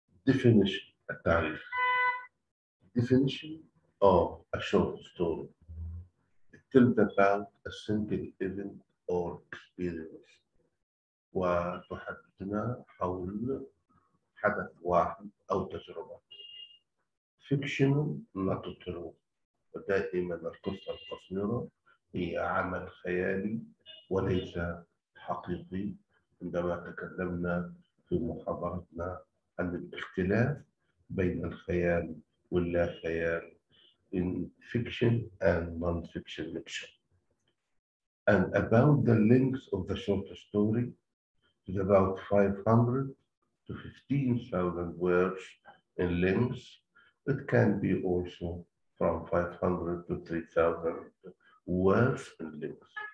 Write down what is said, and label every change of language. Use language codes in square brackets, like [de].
[en] Definition, [ar] التعريف. [en] Definition of a short story. It tells about a single event or experience. [ar] وتحدثنا حول حدث واحد أو تجربة. [en] Fictional, not true. [ar] ودائما القصة القصيرة هي عمل خيالي وليس حقيقي، عندما تكلمنا في محاضرتنا عن الاختلاف بين الخيال واللا خيال [en] in fiction and non-fiction fiction. And about the length of the short story, is about 500 to 15,000 words in length. It can be also from 500 to 3,000 words in length.